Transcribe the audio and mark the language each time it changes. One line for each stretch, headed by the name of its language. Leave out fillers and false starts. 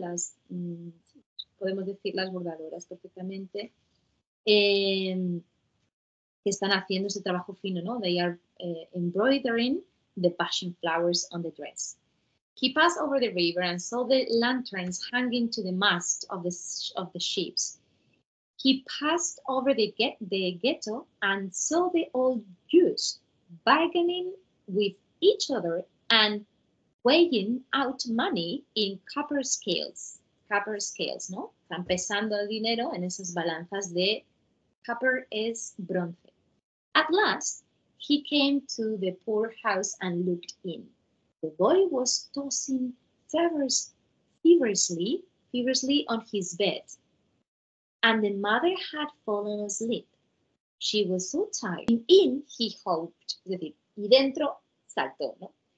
Spanish: Las, podemos decir las bordadoras perfectamente, que están haciendo ese trabajo fino, ¿no?
English: They are embroidering the passion flowers on the dress. He passed over the river and saw the lanterns hanging to the mast of the ships. He passed over the ghetto and saw the old Jews bargaining with each other and weighing out money in copper scales. Copper scales, ¿no?
Spanish: Están pesando el dinero en esas balanzas de copper es bronce.
English: At last, he came to the poorhouse and looked in. The boy was tossing feverishly on his bed, and the mother had fallen asleep. She was so tired. In he hoped,
Spanish: y dentro saltó, ¿no?